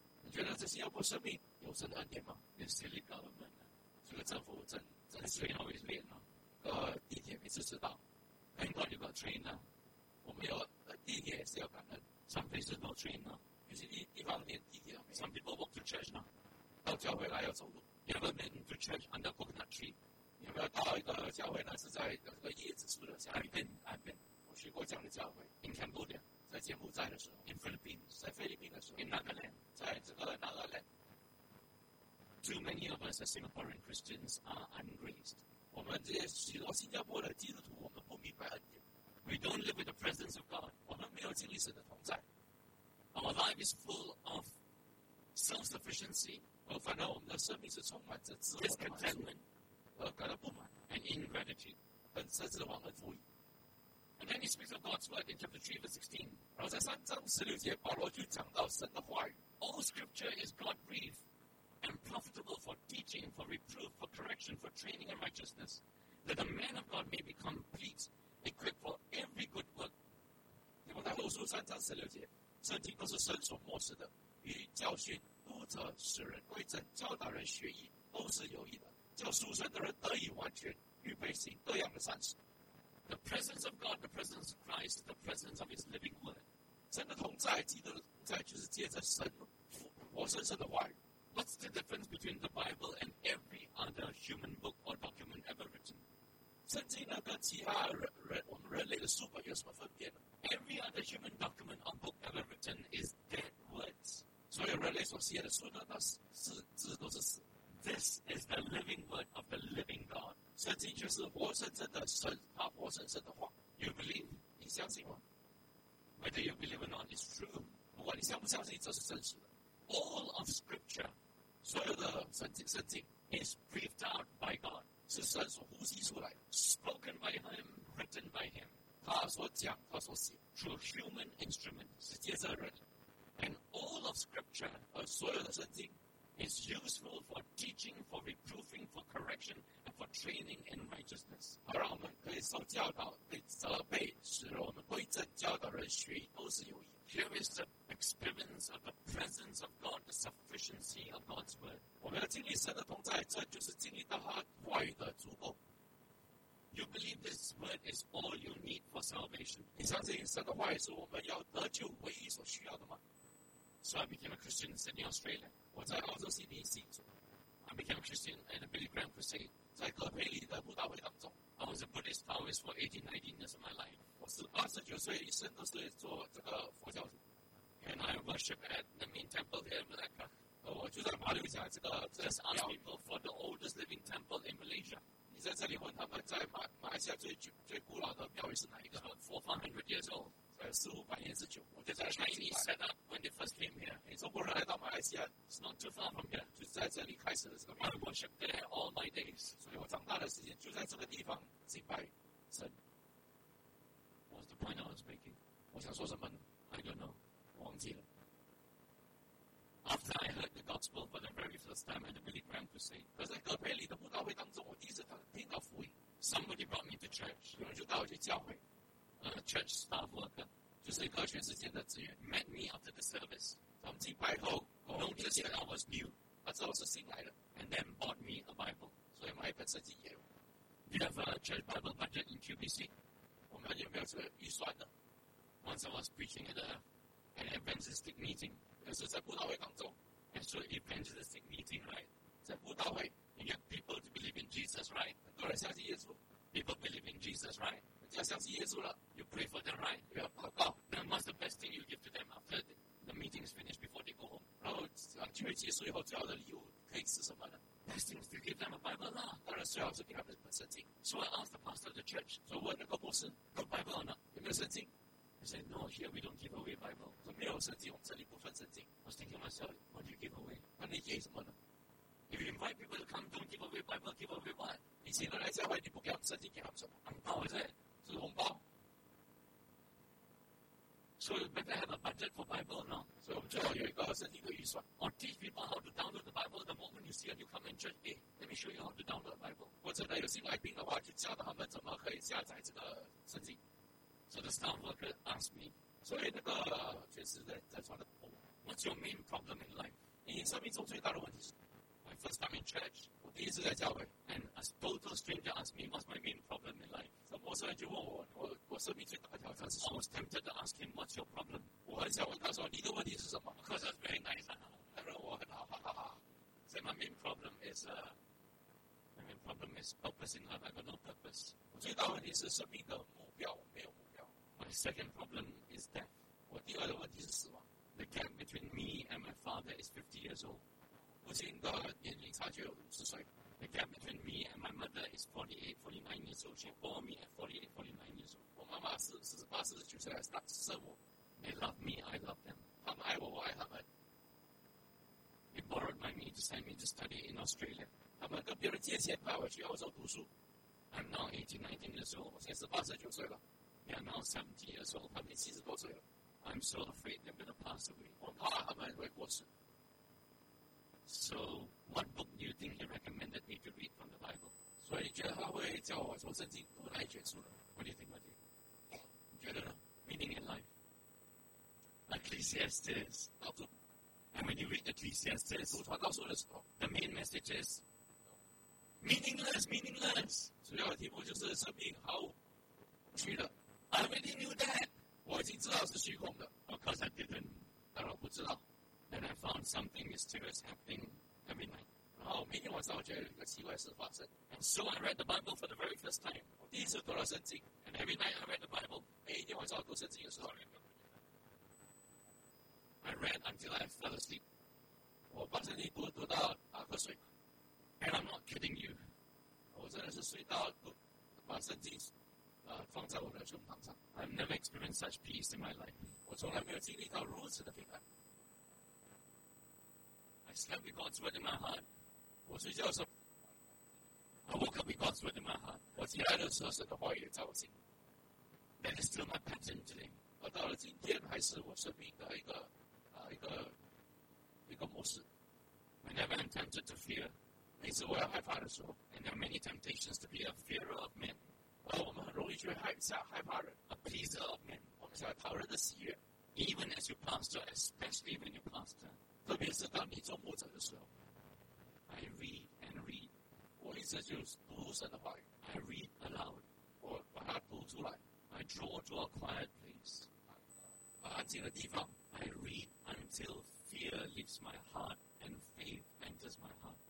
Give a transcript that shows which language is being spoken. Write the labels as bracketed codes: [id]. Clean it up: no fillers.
[zh] 你觉得在新加坡生命有神的恩典吗 [en] ？The silly government， [zh] 这个政府真 [en] train always late 呢？ [zh] 地铁每次迟到。 [en] Thank God you got train now。 [zh] 我们有地铁也是要感恩。 [en] Some places no train now。 [zh] 有些地方连地铁都没有。 [en] Some people walk to church now. [zh] 到教会来要走路。 [en] You ever been to church under coconut tree? [zh] 你有没有到一个教会呢？是在那个椰子树的下面。 [en] I've been. [zh] 我去过这样的教会。 [en] In Cambodia, [zh] 在柬埔寨的时候。 [en] In Philippines, [zh] 在菲律宾的时候。 [en] In Nagaland, [zh] 在这个 Nagaland. [en] Too many of us as Singaporean Christians are ungraced. [zh] 我们这些许多新加坡的基督徒，我们不明白恩典。 [en] We don't live with the presence of God. [zh] 我们没有经历神的同在。 [en] Our life is full of self-sufficiency. [zh] 反而我们的生命是充满着自我 [en] discontentment, [zh] 感到不满 [en] and ingratitude, [zh] 本身是忘恩负义 [en] And then he speaks of God's word in chapter 3 verse 16. [zh] 然后在三章十六节，保罗就讲到神的话语。 [en] All scripture is God-breathed and profitable for teaching, for reproof, for correction, for training in righteousness, that the man of God may be complete, equipped for every good work. [zh] 我在后书三章十六节。圣经都是神所默示的，与教训督责使人归正，教导人学义，都是有益的，叫属神的人得以完全，预备行各样的善事。 [en] The presence of God, the presence of Christ, the presence of His living Word, [zh] 神的同在，基督的同在，就是借着神活生生的话语。 [en] What's the difference between the Bible and every other human book or document ever written? [zh] 圣经呢跟其他我们人类的书本有什么分别呢？ [en] Every other human document or book ever written is dead words. [zh] 所有人类所写的书呢，那是字都是死。 [en] This is the living word of the living God. [zh] 圣经就是活生生的神，他活生生的话。 [en] You believe? [zh] 你相信吗？ [en] Whether you believe or not, it's true. [zh] 不管你相不相信，这是真实的。 [en] All of Scripture, [zh] 所有的圣经 [en] is breathed out by God, [zh] 是神所呼吸出来的。 [en] Spoken by Him, written by Him, [zh] 他所讲，他所写。 [en] Through human instrument, [zh] 是借着人。 [en] And all of Scripture, [zh] 而所有的圣经 [en] is useful for teaching, for reproofing, for correction, and for training in righteousness. [zh] 好让我们可以受教导，被责备，使我们归正，教导人学都是有益。 [en] Here is the experience of the presence of God, the sufficiency of God's word. [zh] 我们要经历神的同在，这就是经历到他话语的足够。 [en] You believe this word is all you need for salvation? [zh] 你相信神的话语是我们要得救唯一所需要的吗？ [en] So I became a Christian in Sydney, Australia. [zh] 我在澳洲悉尼信主。 [en] I became a Christian in a Billy Graham crusade. [zh] 在哥培里的布道会当中。 [en] I was a Buddhist Taoist for 18, 19 years of my life. [zh] 我是二十九岁一生都是做这个佛教徒。 [en] And I worship at the main temple here in Malacca. [zh] 我就在马六甲这个。 [en] Just ask people for the oldest living temple in Malaysia. [zh] 你在这里问他们在马来西亚最古老的庙宇是哪一个？ [en] About 400 years old. [zh] 四五百年之久。我就在 [en] Chinese set up when they first came here. [zh] 你中国人来到马来西亚。 [en] It's not too far from here. [zh] 就在这里开始了这个。 [en] I worship there all my days. [zh] 所以我长大的时间就在这个地方敬拜神。 [en] What's the point I was making? [zh] 我想说什么呢？ [en] I don't know. [zh] 忘记了。 [en] After I heard the gospel for the very first time at the Billy Graham Crusade, [zh] 在哥培里的布道会当中，我第一次听到福音。 [en] Somebody brought me to church. [zh] 有人就带我去教会。 [en] A church staff worker, [zh] 就是一个全世界的职员 [en] met me after the service. [zh] 他们敬拜后 [en] noticed that I was new. [zh] 他知道我是新来的。 [en] And then bought me a Bible. [zh] 所以买一本圣经也有。 [en] Do you have a church Bible budget in QBC? [zh] 我们有没有这个预算呢？ [en] Once I was preaching at an evangelistic meeting, [zh] 也是在布道会当中。 [en] And so evangelistic meeting, right? [zh] 在布道会 [en] you get people to believe in Jesus, right? [zh] 很多人相信耶稣。 [en] People believe in Jesus, right? [zh] 要相信耶稣了 [en] You pray for them, right? [zh] 要祷告 [en] Then what's the best thing you give to them after the meeting is finished before they go home? [zh] 然后聚会结束以后最好的礼物可以是什么呢 [en] Best thing is to give them a Bible, lah. [zh] 当然最好是给他们一本圣经 [en] So I asked the pastor of the church [zh] 所以问那个牧师 [en] Got Bible or not? [zh] 有没有圣经 [en] He said, no, here we don't give away Bible [zh] 说没有圣经我们这里不分圣经 [en] I was thinking myself, what do you give away? [zh] 那你给什么呢 [en] If you invite people to come, don't give away Bible, give away what? [zh] 你请人来教会你不给他们圣经给他们什么 [en] I'm proud of it. [zh] 是红包 [en] So you better have a budget for Bible or not? [zh] 所以我们最好有一个圣经的预算 [en] Or teach people how to download the Bible the moment you see a newcomer church Hey, let me show you how to download the Bible [zh] 或者呢有新来宾的话就教他们怎么可以下载这个圣经 [en] So the staff worker asked me [zh] 所以那个确实在传的 [en] What's your main problem in life? [zh] 你生命中最大的问题是 [en] My first time in church [zh] 我第一次在教会 [en] And a total stranger asked me What's my main problem in life? [zh] 陌生人就问我，我生命最大的挑战是什么 [en] ？I was tempted to ask him what's your problem。 [zh] 我很想问他说，你的问题是什么 [en] ？Because I'm very nice and all。 [zh] 他说我很好，哈哈哈。 [en] So my main problem is purpose in life. I got no purpose。 [zh] 我最大问题是生命的目标，我没有目标。 [en] My second problem is death。 [zh] 我第二的问题是死亡。 [en] The gap between me and my father is 50 years old。 [zh] 父亲的年龄差距有50岁。 [en] The gap between me and my mother is 48, 49 years old. She bore me at 48, 49 years old. [zh] 我妈妈是48、49岁还是生我。 [en] They love me, I love them. [zh] 他们爱我，我爱他们。 [en] They borrowed my money to send me to study in Australia. [zh] 他们跟别人借钱派我去澳洲读书。 [en] I'm now 18, 19 years old. [zh] 我现在18、19岁了。 [en] They are now 70 years old. [zh] 他们70多岁了。 [en] I'm so afraid they're going to pass away. [zh] 我怕他们会过世。 [en] So, what book do you think he recommended me to read from the Bible? [zh] 所以觉得他会叫我从圣经读哪一卷书呢？ [en] What do you think about it? [zh] 你觉得呢？ [en] Meaning in life. Ecclesiastes. [zh] 道祖。 [en] And when you read Ecclesiastes, [zh] 读传道书的时候， [en] the main message is meaningless, meaningless. [zh] 主要的题目就是生命毫无趣的。 [en] I already knew that. [zh] 我已经知道是虚空的。 [en] Of course I didn't. [zh] 当然不知道。 [en] And I found something mysterious happening every night. [zh] 然后每天晚上我觉得有一个奇怪事发生。 [en] And so I read the Bible for the very first time. [zh] 我第一次读了圣经。 [en] And every night I read the Bible. [zh] 每天晚上我读圣经的时候。 [en] I read until I fell asleep. [zh] 我把圣经读到打瞌睡。 [en] And I'm not kidding you. [zh] 我真的是睡到读把圣经放在我的胸膛上。 [en] I've never experienced such peace in my life. [zh] 我从来没有经历到如此的平安。 [en] I slept with God's word in my heart. [zh] 我睡觉的时候 [en] I woke up with God's word in my heart. [zh] 我起来的时候神的话语在我心。 [en] That is still my pattern today. [zh] 我到了今天还是我生命的一个模式。 [en] Whenever I'm tempted to fear, [zh] 每次我要害怕的时候 [en] ，and there are many temptations to be a fearer of men. [zh] 我们很容易去害怕人 [en] ，a pleaser of men. [zh] 我们想要讨人的喜悦 [en] ，even as you pastor, especially when you pastor. [zh] 特别是当你做牧者的时候 [en] ，I read and read. [zh] 我一直就是读神的话语 [en] ，I read aloud. [zh] 我把它读出来 [en] ，I draw to a quiet place. [zh] 把安静的地方。 [en] I read until fear leaves my heart and faith enters my heart.